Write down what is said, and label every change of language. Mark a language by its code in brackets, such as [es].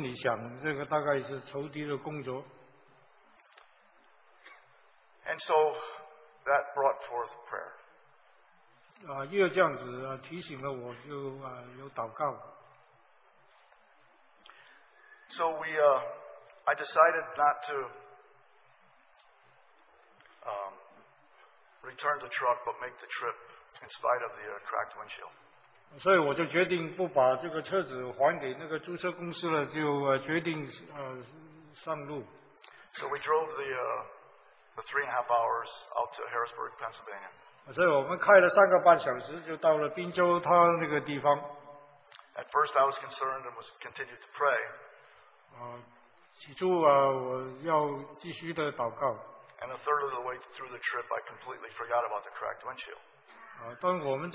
[zh] 当我安静下来的时候，我心里想，这个大概是仇敌的工作。 [en] And so that brought forth prayer. [zh] 又这样子提醒了我，就有祷告。 [en] So I decided not to return the truck, but make the trip in spite of the cracked windshield. [zh] 所以我就决定不把这个车子还给那个租车公司了，就决定上路。 [en] So we drove the 3.5 hours out to Harrisburg, Pennsylvania. [zh] 所以我们开了3.5个小时就到了宾州他那个地方。 [en] At first, I was concerned and was continued to pray. [zh] 起初我要继续的祷告。 [en] And a third of the way through the trip, I completely forgot about the cracked windshield.